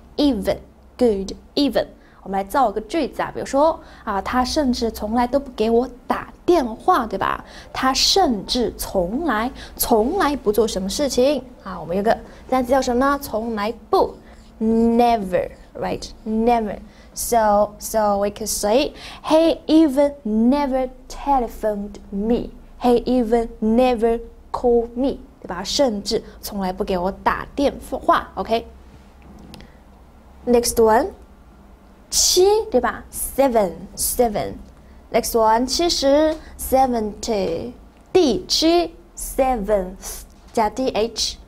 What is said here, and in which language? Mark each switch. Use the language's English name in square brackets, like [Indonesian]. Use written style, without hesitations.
[English] Even, good, even. [Chinese] 我们来造一个句子啊，比如说啊，他甚至从来都不给我打电话，对吧？他甚至从来不做什么事情啊。我们有个单词叫什么呢？从来不 [English] ，never, right? Never. So we could say, he even never telephoned me. He even never called me. [Chinese] 对吧？甚至从来不给我打电话。 [English] Okay. Next one, 七， [Chinese] 对吧 [English] ？Seven. Next one, 七十 ，seventy. 第七 ，seventh 加 th.